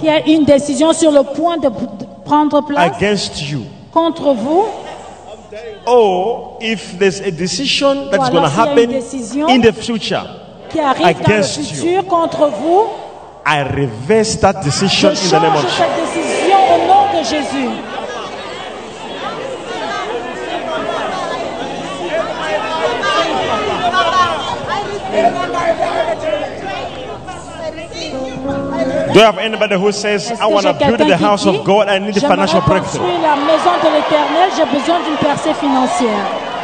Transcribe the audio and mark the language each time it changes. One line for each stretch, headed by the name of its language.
French: Qu'il y a une décision sur le point de prendre place...
English: Against you.
French: Contre vous...
English: I'm telling you. oh, if there's a decision that's going to happen in the future
French: qui arrive
English: against
French: dans le futur contre vous,
English: I reverse that decision in the name of Jesus.
French: Au nom de Jésus.
English: Do you have anybody who says, I want to build the house of God, I need a financial breakthrough?
French: La maison de l'Éternel, j'ai besoin d'une percée financière.